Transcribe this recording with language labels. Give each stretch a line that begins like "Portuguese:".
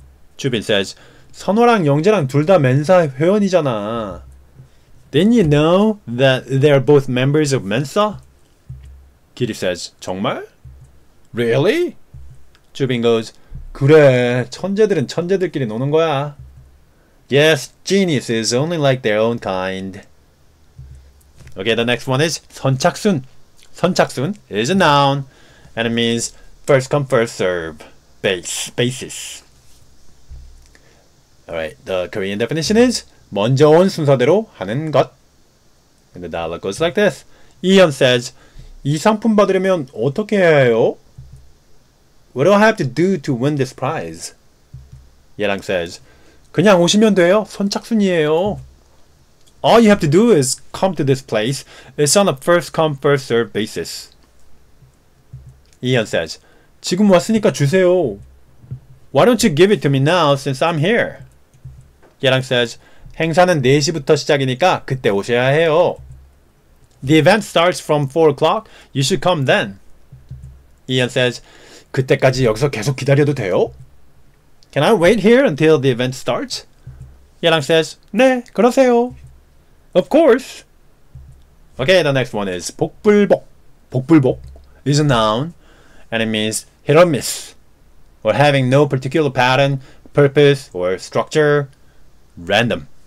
Korean: 주빈 says, 선호랑 영재랑 둘 다 멘사 회원이잖아.
English: Didn't you know that they're both members of Mensa? 기리 says,
Korean: 정말?
English: Really?
Korean: 주빈 goes, 그래, 천재들은 천재들끼리 노는 거야.
English: Yes, genius is only like their own kind. Okay, the next one is 선착순. 선착순 is a noun. And it means first come, first serve, basis. Alright, the Korean definition is
Korean: 먼저 온 순서대로 하는 것.
English: And the dialogue goes like this.
Korean: 이현 says, 이 상품 받으려면 어떻게 해야 해요?
English: What do I have to do to win this prize?
Korean: 예랑 says, 그냥 오시면 돼요. 선착순이에요.
English: All you have to do is come to this place. It's on a first come, first serve basis.
Korean: 이현 says, 지금 왔으니까 주세요.
English: Why don't you give it to me now since I'm here?
Korean: 예랑 says, 행사는 4시부터 시작이니까 그때 오셔야 해요.
English: The event starts from 4 o'clock. You should come then.
Korean: 이현 says, 그때까지 여기서 계속 기다려도 돼요?
English: Can I wait here until the event starts? 예랑 says,
Korean: 네, 그러세요.
English: Of course. Okay, the next one is 복불복. 복불복 is a noun. And it means hit or miss, or having no particular pattern, purpose, or structure, random.